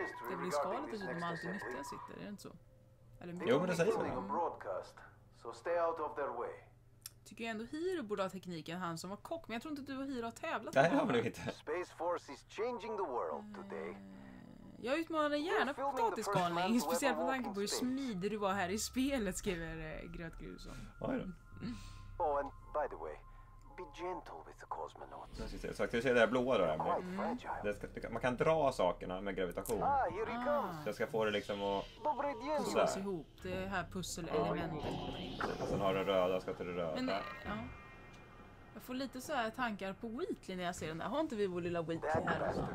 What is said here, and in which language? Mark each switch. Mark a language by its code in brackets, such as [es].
[sv] Det blir skalet och de alltid nyttiga sitter, är det inte så? Eller jo, men det säger så. [en] So stay out of their way. [sv] Tycker jag ändå Hiro borde ha tekniken, han som var kock, men jag tror inte du och Hiro har tävlat. Nej, det har vi inte. [en] Space Force is changing the world today. [sv] Jag utmanar dig gärna på potatisskalning, speciellt med tanke på hur smidig du var här i spelet, skriver Gröt Grusson. [en] Oh, and by the way, be gentle with the cosmonauts. [sv] Jag ska se det där blåa då. Man kan dra sakerna med gravitation. Ah. Så jag ska få det liksom att pussas ihop. Det här pusselelementet. Ah. Sen har du röda, ska till det röda. Men, ja. Jag får lite så här tankar på Wheatley när jag ser den där. Har inte vi vår lilla Wheatley här?